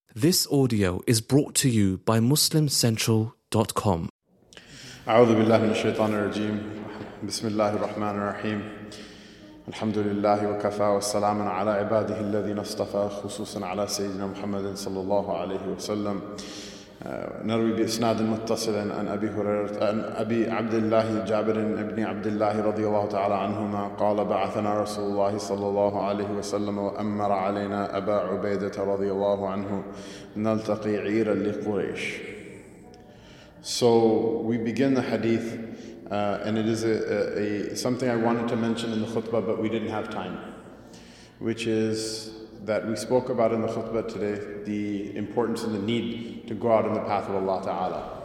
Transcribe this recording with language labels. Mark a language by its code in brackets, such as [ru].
[en] This audio is brought to you by MuslimCentral.com. [ar] أعوذ بالله من الشيطان الرجيم. بسم الله الرحمن الرحيم. الحمد لله وكفى والسلام على عباده الذين اصطفى خصوصا على سيدنا محمد صلى الله عليه وسلم. نروي بإسناد متصل عن أبي هريرة عن أبي عبد الله جابر بن عبد الله رضي الله تعالى عنهما قال بعثنا رسول الله صلى الله عليه وسلم وأمر علينا أبا عبيدة رضي الله عنه نلتقي عيرا لقريش. [en] So we begin the hadith and it is something I wanted to mention in the khutbah but we didn't have time, which is that we spoke about in the khutbah today, the importance and the need to go out in the path of Allah Ta'ala.